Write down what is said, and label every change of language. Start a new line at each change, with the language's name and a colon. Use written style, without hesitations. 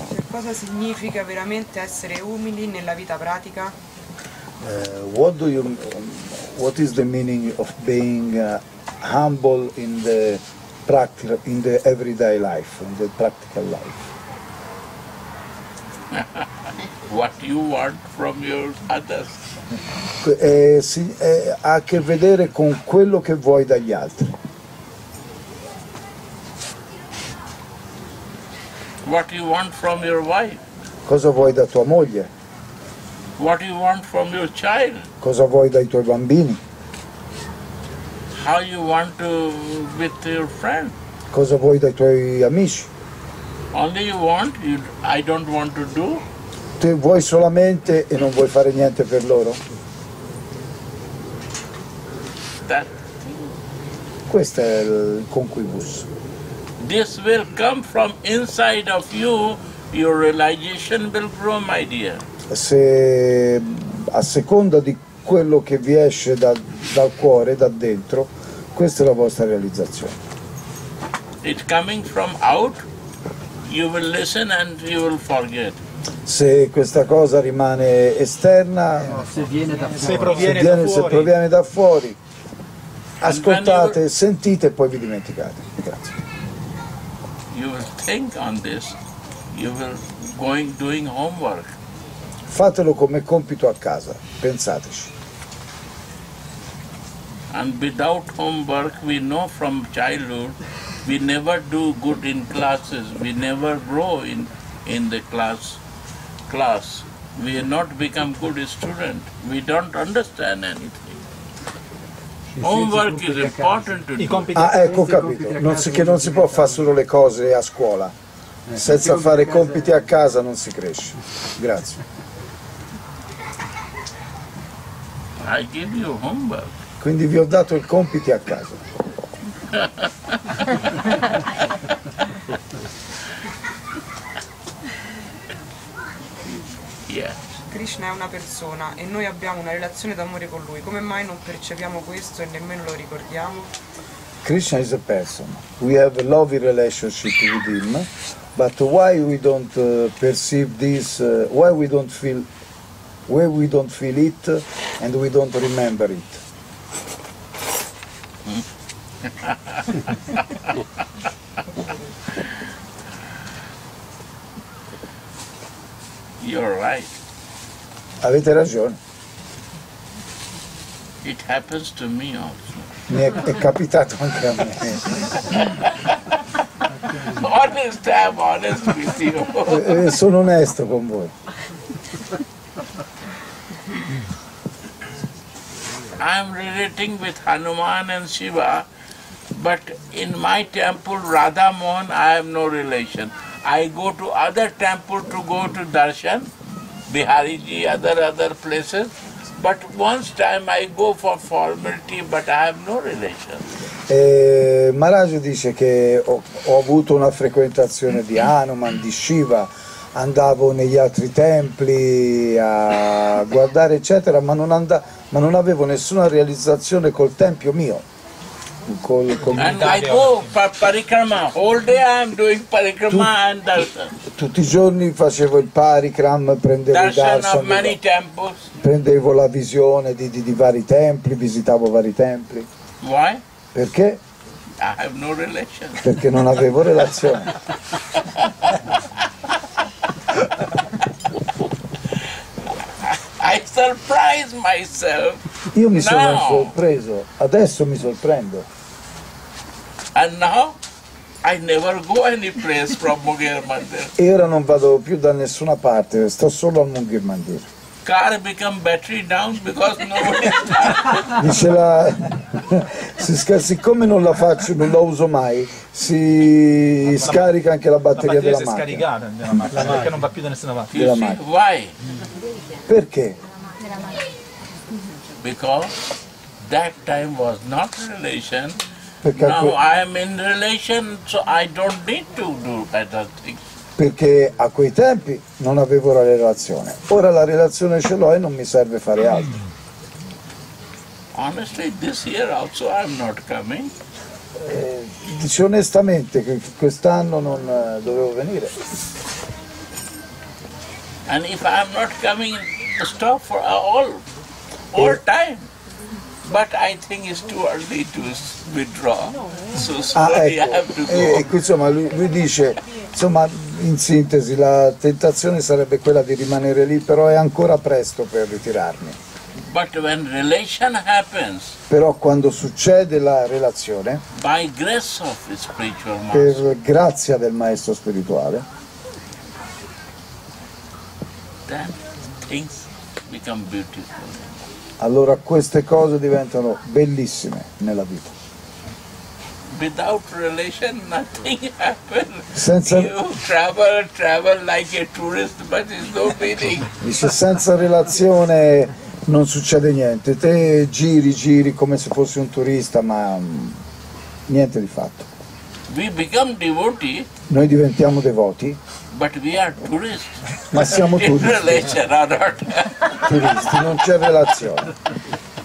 Italian: Cosa significa veramente essere umili nella vita pratica?
English: What is the meaning of being humble in the practical, in the everyday life, in the practical life? What you want from your others?
Italian: Ha a che vedere con quello che vuoi dagli altri.
English: What you want from your wife?
Italian: Cosa vuoi da tua moglie?
English: What you want from your child?
Italian: Cosa vuoi dai tuoi bambini?
English: How you want to with your friend?
Italian: Cosa vuoi dai tuoi amici?
English: Only you want, you, I don't want to do.
Italian: Tu vuoi solamente e non vuoi fare niente per loro? Questo è il conquibus.
English: This will come from inside of you, your realization will grow, my dear.
Italian: Se a seconda di quello che vi esce dal cuore, da dentro, questa è la vostra realizzazione.
English: It coming from out, you will listen and you will forget.
Italian: Se questa cosa rimane esterna, se proviene da fuori, ascoltate, sentite e poi vi dimenticate. Grazie.
English: You will think on this, you will going doing homework.
Italian: Fatelo come compito a casa, pensateci.
English: And without homework, we know from childhood, we never do good in classes, we never grow in the class. We not become good student, we don't understand anything. Homework is important to do.
Italian: Ah, ecco, capito. Non si può fare solo le cose a scuola. Senza fare compiti a casa non si cresce. Grazie.
English: I give you homework.
Italian: Quindi vi ho dato il compiti a casa. Krishna è una persona e noi abbiamo una relazione d'amore con lui. Come mai non percepiamo questo e nemmeno lo ricordiamo?
English: Krishna is a person. We have a loving relationship with him, but why we don't perceive this? Why we don't feel it and we don't remember it? You're right.
Italian: Avete ragione.
English: It happens to me also.
Italian: Mi è capitato anche a me.
English: Honest, I'm honest with you.
Italian: Sono onesto con voi.
English: I'm relating with Hanuman and Shiva, but in my temple Radha Mohan I have no relation. I go to other temple to go to darshan. Bihariji, other places, but once time I go for formality, but I have no relation.
Italian: Maharaj dice che ho avuto una frequentazione di Hanuman, di Shiva, andavo negli altri templi a guardare eccetera, ma non avevo nessuna realizzazione col tempio mio.
English: And I go for parikrama. All day I am doing parikrama and darshan.
Italian: Tutti i giorni facevo il parikram, prendevo darshan
English: of many temples.
Italian: Prendevo la visione di vari templi, visitavo vari templi.
English: Why?
Italian: Perché?
English: I have no relation.
Italian: Perché non avevo relazione.
English: I surprise myself.
Italian: Io mi sono sorpreso, adesso mi sorprendo.
English: And now I never go any place from Mungir Mandir.
Italian: E ora non vado più da nessuna parte, sto solo al Mungir Mandir.
English: Car become battery down because nobody.
Italian: Dice la. Siccome non la faccio, non la uso mai, si scarica anche la batteria della macchina. Si è scaricata perché non va più da nessuna parte. Della macchina.
English: Why?
Italian: Perché?
English: Because that time was not relation.
Italian: Perché
English: now I am in relation, so I don't need to do other things.
Italian: Perché a quei tempi non avevo la relazione. Ora la relazione ce l'ho e non mi serve fare altro.
English: Honestly, this year also I'm not coming.
Italian: Dice onestamente che quest'anno non dovevo venire.
English: And if I am not coming, stop for all time. But I think it's too early to withdraw. So sorry,
Italian: ecco.
English: I have to go.
Italian: Ecco, insomma, lui dice, insomma, in sintesi, la tentazione sarebbe quella di rimanere lì, però è ancora presto per ritirarmi.
English: But when relation happens,
Italian: però quando succede la relazione,
English: by grace of the spiritual master,
Italian: per grazia del maestro spirituale,
English: then things become beautiful.
Italian: Allora queste cose diventano bellissime nella vita.
English: Without relation, nothing happens.
Italian: Senza...
English: You travel like a tourist, but it's no meaning.
Italian: Dice, senza relazione non succede niente. Te giri come se fossi un turista, ma niente di fatto.
English: We become devotee.
Italian: Noi diventiamo devoti.
English: But we are tourists.
Italian: Ma siamo turisti.
English: In relation, or not.
Italian: Turisti, non c'è relazione.